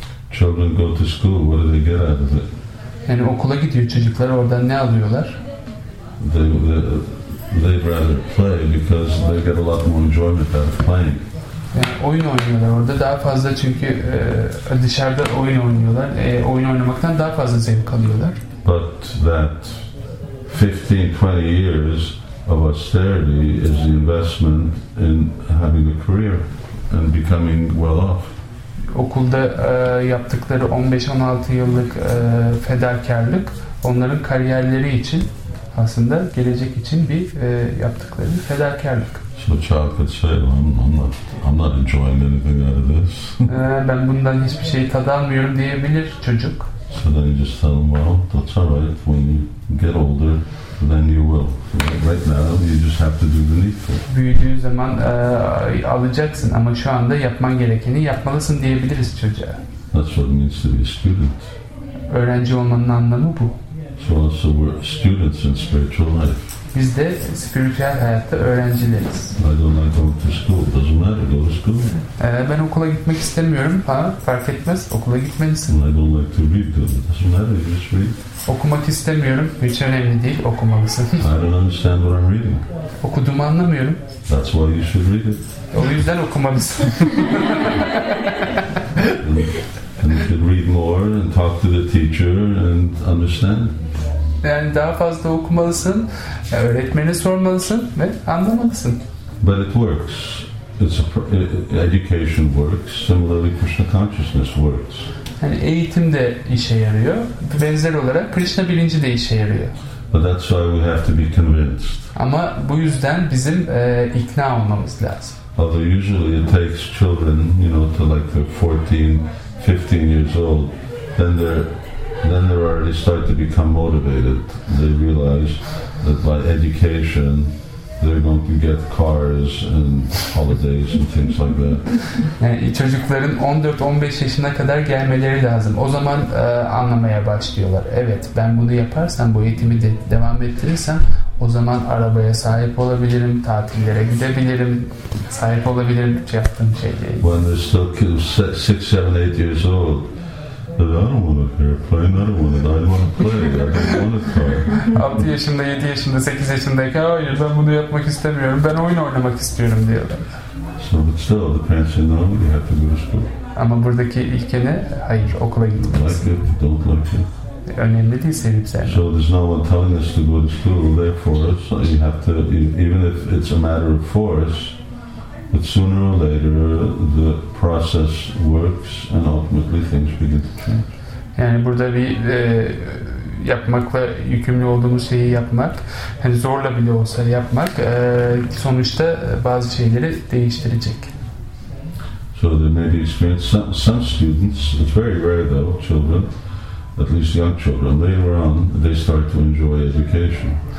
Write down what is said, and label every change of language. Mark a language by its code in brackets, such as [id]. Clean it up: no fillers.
[en] Children go to school, what do they get out of it? [tr] Yani okula gidiyor çocuklar, oradan ne alıyorlar? [en] They'd rather play because they get a lot more enjoyment out of playing. [tr] Yani oyun oynuyorlar orada daha fazla, çünkü dışarıda oyun oynuyorlar. Oyun oynamaktan daha fazla zevk alıyorlar. [en] But that 15-20 years of austerity is the investment in having a career and becoming well off. [tr] Okulda yaptıkları 15-16 yıllık fedakarlık onların kariyerleri için, aslında gelecek için bir yaptıkları fedakarlık. [en] So child could say, I'm not enjoying anything out of this. [tr] Ben bundan hiçbir şeyi tad almıyorum diyebilir çocuk. [en] So then you just tell him, well, that's all right. When you get older, then you will. Right now, you just have to do the needful. [tr] Büyüdüğü zaman alacaksın, ama şu anda yapman gerekeni yapmalısın diyebiliriz çocuğa. [en] That's what it means to be a student. [tr] Öğrenci olmanın anlamı bu. [en] So also we're students in spiritual life. [tr] Biz de spiritüel hayatta öğrencileriz. [en] I don't like going to school. Doesn't matter. Go to school. [tr] Ben okula gitmek istemiyorum. Ha, fark etmez. Okula gitmelisin. [en] I don't like to read. Doesn't matter. Just read. [tr] Okumak istemiyorum. Hiç önemli değil. Okumalısın. [en] I don't understand what I'm reading. [tr] Okuduğumu anlamıyorum. [en] That's why you should read it. [tr] O yüzden okumalısın. [en] And you should read more and talk to the teacher and understand. [tr] Yani daha fazla okumalısın, öğretmeni sormalısın ve anlamalısın. [en] But it works. It's education works. Similarly, Krishna consciousness works. [tr] Yani eğitim de işe yarıyor. Benzer olarak Krishna bilinci de işe yarıyor. [en] But that's why we have to be convinced. [tr] Ama bu yüzden bizim ikna olmamız lazım. [en] Although usually it takes children, you know, to like they're 14, 15 years old, then they already start to become motivated. They realize that by education they're going to get cars and holidays and things like that. [tr] Yani çocukların 14-15 yaşına kadar gelmeleri lazım. O zaman anlamaya başlıyorlar. Evet, ben bunu yaparsam, bu eğitimi de devam ettirirsem, o zaman arabaya sahip olabilirim, tatillere gidebilirim, sahip olabilirim yaptığım şeyleri. [en] When they're still 6-7-8 years old, I don't want an airplane, I don't want it, I want to play, I don't want a car. [tr] 6 yaşında, 7 yaşında, 8 yaşındayken, hayır ben bunu yapmak istemiyorum, ben oyun oynamak istiyorum diyorlar. [en] So but still, the parents say, no, you have to go to school. [tr] Ama buradaki ilke ne? Hayır, okula gitmek. [en] Like it, don't like it. [tr] Önemli değil, sevip sevmek. [en] So there's no one telling us to go to school, therefore, so you have to, even if it's a matter of force, but sooner or later the process works and ultimately things begin to change. [tr] Yani burada bir yapmakla yükümlü olduğumuz şeyi yapmak, hani zorla bile olsa yapmak, sonuçta bazı şeyleri değiştirecek. [en] So there may be experience. Some students, it's very rare though, children, at least young children, later on they start to enjoy education.